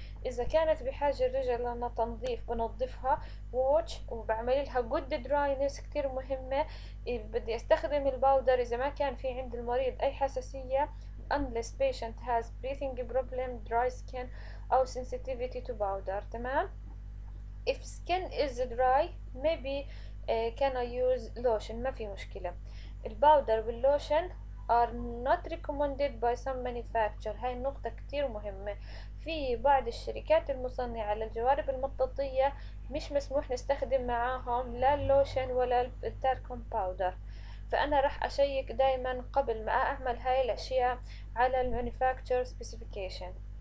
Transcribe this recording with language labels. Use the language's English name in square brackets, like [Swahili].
[Arabic] اذا كانت بحاجه الرجل لتنظيف بنظفها ووتش، وبعمل لها جود دراينس كثير مهمه، بدي استخدم الباودر اذا ما كان في عند المريض اي حساسيه، [English] unless patient has breathing problem, dry skin or sensitivity to powder، [Arabic] تمام. [English] If skin is dry maybe can I use lotion، [Arabic] ما في مشكلة. الباودر واللوشن [English] are not recommended by some manufacturer، [Arabic] هاي النقطة كتير مهمة، في بعض الشركات المصنعة للجوارب المطاطية مش مسموح نستخدم معاهم لا اللوشن ولا التاركوم باودر، فانا راح اشيك دائما قبل ما اعمل هاي الاشياء على المانيفاكتشر سبيسيفيكيشن.